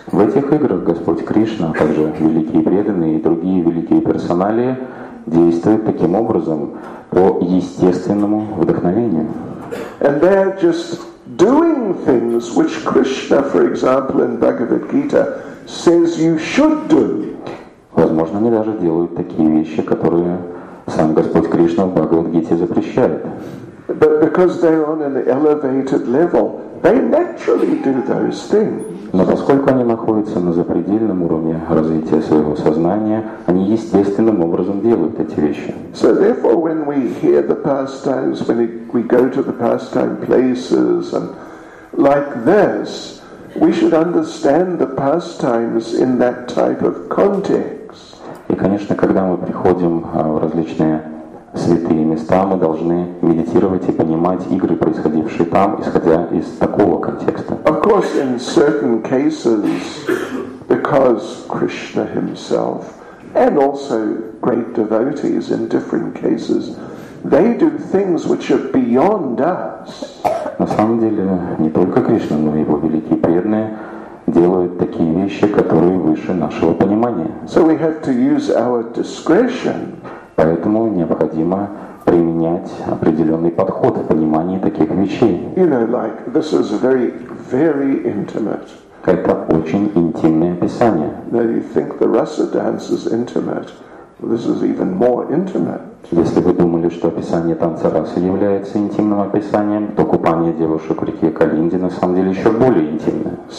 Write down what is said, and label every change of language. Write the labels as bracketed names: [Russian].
[Russian] В этих играх Господь Кришна, а также великие преданные и другие великие персоналии действуют таким образом по естественному вдохновению. [English] And they're just doing things which Krishna, for example, in Bhagavad Gita says you should do. [Russian] Возможно, они даже делают такие вещи, которые сам Господь Кришна в Бхагавад-гите запрещает. [English] But because they're on an elevated level, they naturally do those things. [Russian] Но поскольку они находятся на запредельном уровне развития своего сознания, они естественным образом делают эти вещи. [English] So therefore, when we hear the pastimes, when we go to the pastime places and like this, we should understand the pastimes in that type of context. [Russian] И, конечно, когда мы приходим в различные святые места, мы должны медитировать и понимать игры, происходившие там, исходя из такого контекста. [English] Of course, in certain cases, because Krishna himself and also great devotees in different cases, they do things which are beyond us. [Russian] На самом деле, не только Кришна, но и его великие преданные делают такие вещи, которые выше нашего понимания. [English] So we have to use our discretion. [Russian] Поэтому необходимо применять определенный подход в понимании таких вещей. [English] You know, like this is very, very intimate. [Russian] Это очень интимное описание. [English] Now you think the Rasa dance is intimate. This is even more intimate. [Russian] Если вы думали, что описание танца Расы является интимным описанием, то купание девушек в реке Калинди на самом деле еще более интимное.